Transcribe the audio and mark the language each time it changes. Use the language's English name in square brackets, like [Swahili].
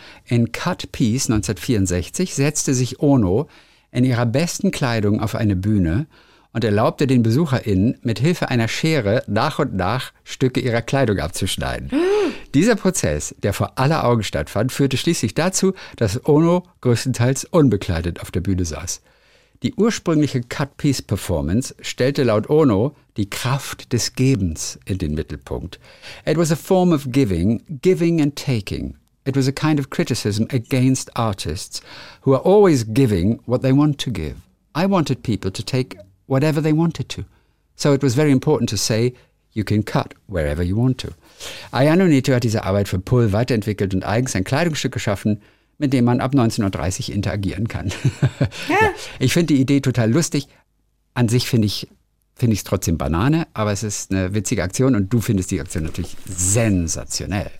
[German] In Cut Piece 1964 setzte sich Ono in ihrer besten Kleidung auf eine Bühne und erlaubte den BesucherInnen, mit Hilfe einer Schere nach und nach Stücke ihrer Kleidung abzuschneiden. Dieser Prozess, der vor aller Augen stattfand, führte schließlich dazu, dass Ono größtenteils unbekleidet auf der Bühne saß. Die ursprüngliche Cut-Piece-Performance stellte laut Ono die Kraft des Gebens in den Mittelpunkt. [English] It was a form of giving, giving and taking. It was a kind of criticism against artists who are always giving what they want to give. I wanted people to take whatever they wanted to. So it was very important to say, you can cut wherever you want to. [German] Ayano Neto hat diese Arbeit für Pull weiterentwickelt und eigens ein Kleidungsstück geschaffen, mit dem man ab 19.30 Uhr interagieren kann. Ja. Ich finde die Idee total lustig. An sich finde ich es trotzdem Banane, aber es ist eine witzige Aktion und du findest die Aktion natürlich sensationell.